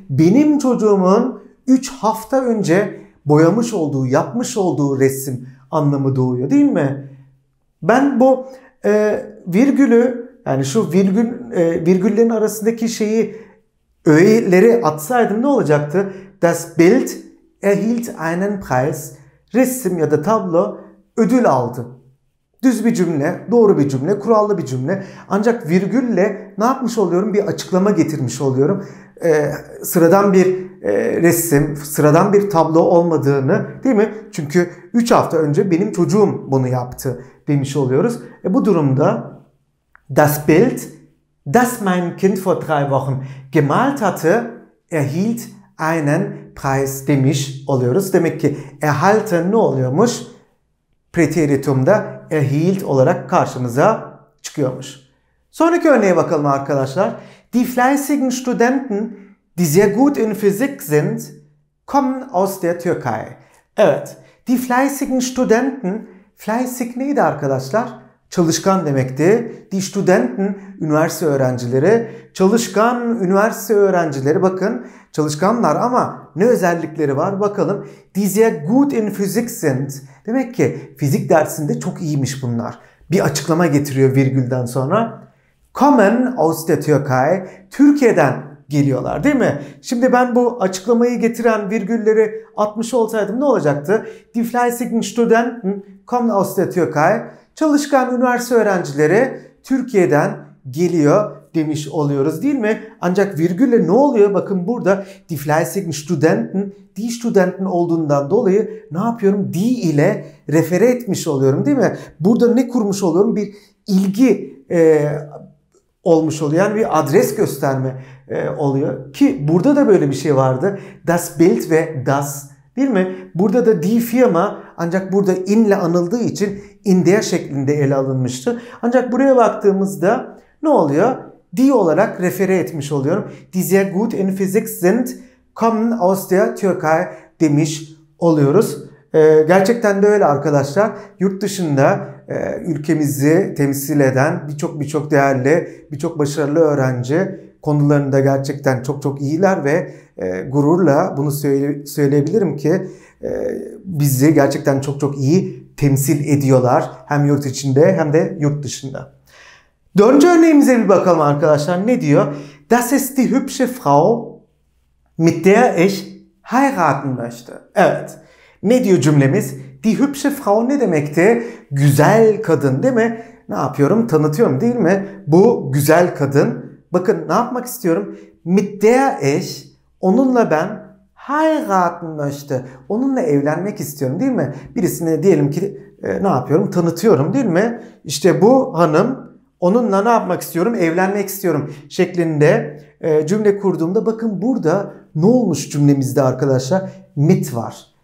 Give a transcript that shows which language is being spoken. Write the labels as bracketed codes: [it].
[tr] Benim çocuğumun 3 hafta önce boyamış olduğu, yapmış olduğu resim anlamı doğuyor, değil mi? Ben bu virgülü, yani şu virgül virgüllerin arasındaki şeyi, öğeleri atsaydım ne olacaktı? [de] Das Bild erhielt einen Preis. [tr] Resim ya da tablo ödül aldı. Düz bir cümle, doğru bir cümle, kurallı bir cümle. Ancak virgülle ne yapmış oluyorum? Bir açıklama getirmiş oluyorum. Sıradan bir resim, sıradan bir tablo olmadığını, değil mi? Çünkü 3 hafta önce benim çocuğum bunu yaptı demiş oluyoruz. Bu durumda [de] das Bild, das mein Kind vor 3 Wochen gemalt hatte, erhielt einen Preis [tr] demiş oluyoruz. Demek ki erhalten ne oluyormuş? Präteritumda erhielt olarak karşımıza çıkıyormuş. Sonraki örneğe bakalım arkadaşlar. [de] Die fleißigen Studenten, die sehr gut in Physik sind, kommen aus der Türkei. [tr] Evet, [de] die fleißigen Studenten, [tr] fleißig neydi arkadaşlar? Çalışkan demekti. [de] Die Studenten, [tr] üniversite öğrencileri. Çalışkan üniversite öğrencileri, bakın çalışkanlar ama ne özellikleri var bakalım. [de] Die sehr gut in Physik sind. [tr] Demek ki fizik dersinde çok iyiymiş bunlar. Bir açıklama getiriyor virgülden sonra. [de] Kommen aus der Türkei, [tr] Türkiye'den geliyorlar değil mi? Şimdi ben bu açıklamayı getiren virgülleri atmış olsaydım ne olacaktı? [de] Die fleißigen Studenten kommen aus der Türkei. [tr] Çalışkan üniversite öğrencileri Türkiye'den geliyor demiş oluyoruz değil mi? Ancak virgülle ne oluyor? Bakın burada [de] die fleißigen Studenten, die Studenten [tr] olduğundan dolayı ne yapıyorum? Die ile refere etmiş oluyorum değil mi? Burada ne kurmuş oluyorum? Bir ilgi olmuş oluyor. Yani bir adres gösterme oluyor. Ki burada da böyle bir şey vardı. [de] Das Bild [tr] ve das değil mi? Burada da [de] die Firma [tr] ancak burada in ile anıldığı için in der şeklinde ele alınmıştı. Ancak buraya baktığımızda ne oluyor? Die olarak refere etmiş oluyorum. [de] Die sehr gut in Physik sind, kommen aus der Türkei [tr] demiş oluyoruz. Gerçekten de öyle arkadaşlar. Yurt dışında ülkemizi temsil eden birçok değerli, birçok başarılı öğrenci konularında gerçekten çok iyiler ve gururla bunu söyleyebilirim ki bizi gerçekten çok iyi temsil ediyorlar. Hem yurt içinde hem de yurt dışında. Dördüncü örneğimize bir bakalım arkadaşlar. Ne diyor? [de] Das ist die hübsche Frau, mit der ich heiraten möchte. [tr] Evet. Ne diyor cümlemiz? [de] Die hübsche Frau [tr] ne demekti? Güzel kadın değil mi? Ne yapıyorum? Tanıtıyorum değil mi? Bu güzel kadın. Bakın ne yapmak istiyorum? [de] Mit der ich, [tr] onunla ben [de] heiraten möchte. [tr] Onunla evlenmek istiyorum değil mi? Birisine diyelim ki ne yapıyorum? Tanıtıyorum değil mi? İşte bu hanım, onunla ne yapmak istiyorum? Evlenmek istiyorum şeklinde cümle kurduğumda bakın burada ne olmuş cümlemizde arkadaşlar? Mit var.